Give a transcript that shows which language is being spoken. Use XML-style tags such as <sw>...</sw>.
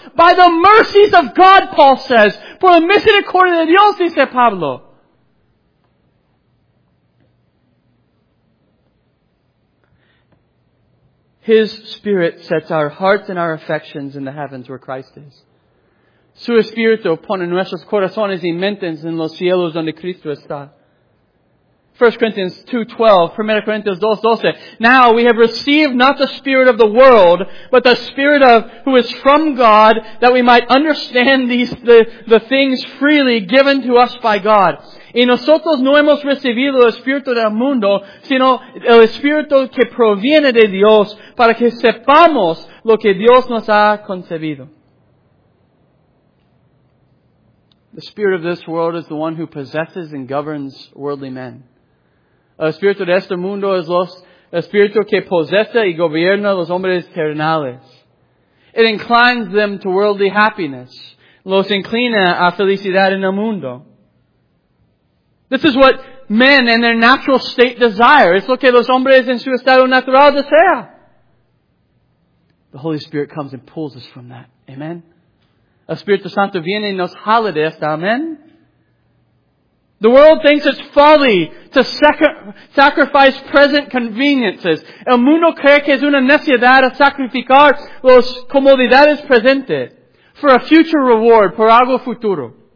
<en>By the mercies of God, Paul says.</en> <es>Por la misericordia de Dios, dice Pablo.</es> <en>His Spirit sets our hearts and our affections in the heavens where Christ is.</en> <es>Su Espíritu pone nuestros corazones y mentes en los cielos donde Cristo está.</es> <en>1 Corinthians 2:12, 1 Corinthians 2:12. Now we have received not the spirit of the world, but the spirit of who is from God, that we might understand the things freely given to us by God.</en> <es>Y nosotros no hemos recibido el espíritu del mundo, sino el espíritu que proviene de Dios, para que sepamos lo que Dios nos ha concedido.</es> <en>The spirit of this world is the one who possesses and governs worldly men.</en> <es>El espíritu de este mundo es los espíritu que posee y gobierna los hombres terrenales.</es> <en>It inclines them to worldly happiness.</en> <es>Los inclina a felicidad en el mundo.</es> <en>This is what men in their natural state desire.</en> <es>Es lo que los hombres en su estado natural desea.</es> <en>The Holy Spirit comes and pulls us from that. Amen.</en> <es>El Espíritu Santo viene y nos jala de esta.</es> <en>Amen. The world thinks it's folly to sacrifice present conveniences.</en> <es>El mundo cree que es una necedad a sacrificar las comodidades presentes</es> <en>for a future reward,</en> <es>por algo futuro.</es>